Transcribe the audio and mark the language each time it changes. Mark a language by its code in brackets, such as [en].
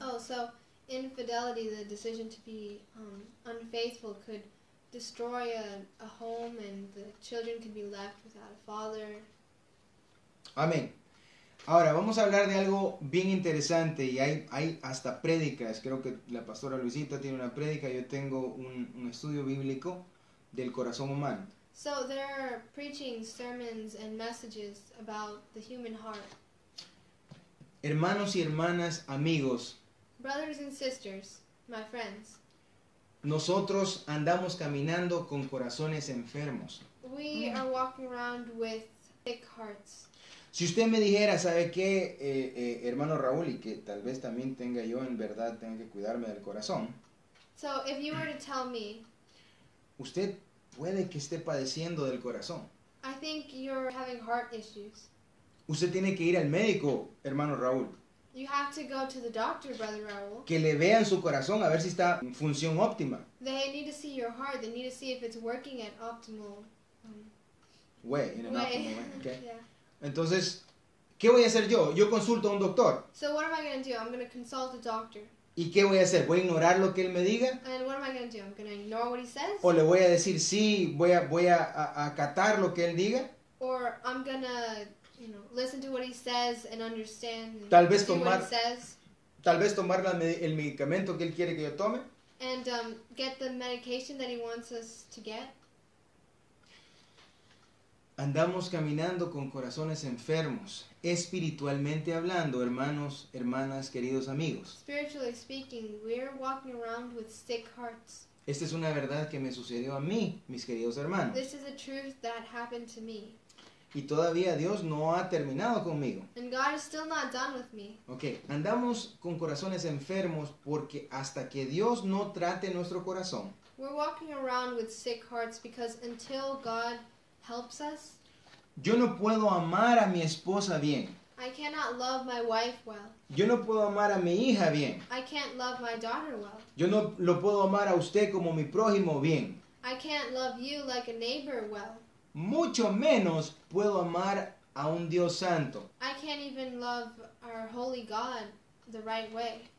[en] Oh, so infidelity, the decision to be unfaithful could destroy a home and the children could be left without a father. [es] Amén. Ahora, vamos a hablar de algo bien interesante y hay hasta prédicas. Creo que la pastora Luisita tiene una prédica. Yo tengo un estudio bíblico del corazón humano. [en] So, there are preachings, sermons, and messages about the human heart. [es] Hermanos y hermanas, amigos. [en] Brothers and sisters, my friends. [es] Nosotros andamos caminando con corazones enfermos. [en] We are walking around with sick hearts. [es] Si usted me dijera, ¿sabe qué, hermano Raúl? Y que tal vez también tenga yo, en verdad, tenga que cuidarme del corazón. [en] So, if you were to tell me. [es] Usted puede que esté padeciendo del corazón. [en] I think you're having heart issues. [es] Usted tiene que ir al médico, hermano Raúl. [en] You have to go to the doctor, brother Raúl. [es] Que le vean su corazón a ver si está en función óptima. [en] They need to see your heart. They need to see if it's working at optimal way. In an way. Optimal way. Okay. Yeah. [es] Entonces, ¿qué voy a hacer yo? Yo consulto a un doctor. [en] So what am I going to do? I'm going to consult a doctor. [es] ¿Y qué voy a hacer? ¿Voy a ignorar lo que él me diga? [en] And what am I going to do? I'm going to ignore what he says? [es] ¿O le voy a decir sí, voy a acatar lo que él diga? [en] Or I'm going to, you know, listen to what he says and understand what he says? [es] Tal vez tomar el medicamento que él quiere que yo tome? [en] And get the medication that he wants us to get? [es] Andamos caminando con corazones enfermos, espiritualmente hablando, hermanos, hermanas, queridos amigos. [en] Spiritually speaking, we're walking around with sick hearts. [es] Esta es una verdad que me sucedió a mí, mis queridos hermanos. [en] This is a truth that happened to me. [es] Y todavía Dios no ha terminado conmigo. [en] And God is still not done with me. [es] Okay, andamos con corazones enfermos porque hasta que Dios no trate nuestro corazón. [en] We're walking around with sick hearts because until God helps us. [es] Yo no puedo amar a mi esposa bien. [en] I cannot love my wife well. [es] Yo no puedo amar a mi hija bien. [en] I can't love my daughter well. [es] Yo no lo puedo amar a usted como mi prójimo bien. [en] I can't love you like a neighbor well. [es] Mucho menos puedo amar a un Dios santo. [en] I can't even love our holy God the right way.